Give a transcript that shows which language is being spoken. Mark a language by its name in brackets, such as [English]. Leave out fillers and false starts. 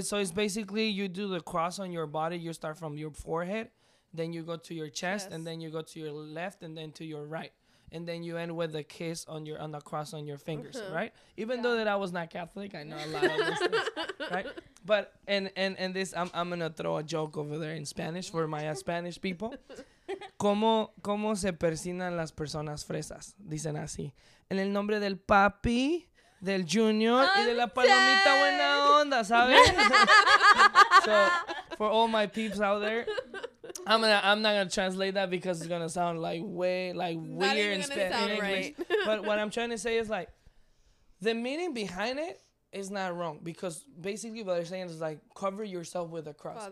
[English] So it's basically you do the cross on your body. You start from your forehead, then you go to your chest, and then you go to your left, and then to your right, and then you end with a kiss on the cross on your fingers, right? Even though that I was not Catholic, I know a lot of those things, right? But and this, I'm gonna throw a joke over there in Spanish for my Spanish people. [Spanish] ¿Cómo se persinan las personas fresas? Dicen así. En el nombre del papi, del junior, y de la palomita buena onda, ¿sabes? [English] So, for all my peeps out there, I'm not gonna translate that because it's gonna sound weird in Spanish. Right. But what I'm trying to say is like, the meaning behind it is not wrong, because basically what they're saying is like, cover yourself with a cross,